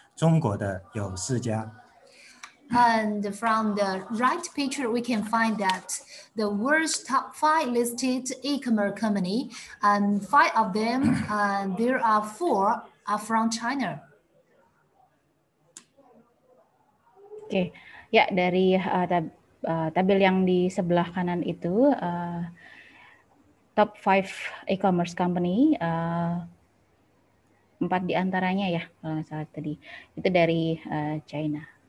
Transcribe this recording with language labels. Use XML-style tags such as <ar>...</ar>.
<zh>在胡润研究院列出的全球五大的上市电商中，我们可以看到阿里巴巴、美团点评、京东、拼多多位居第二位到第五位，也就是全球五大的上市电商里面，中国的有四家。</zh> <en>And from the right picture, we can find that the world's top five listed e-commerce company, and five of them, there are four are from China.</en> <id>Okay, ya dari tabel yang di sebelah kanan itu top five e-commerce company, empat di antaranya ya kalau nggak salah tadi itu dari China.</id>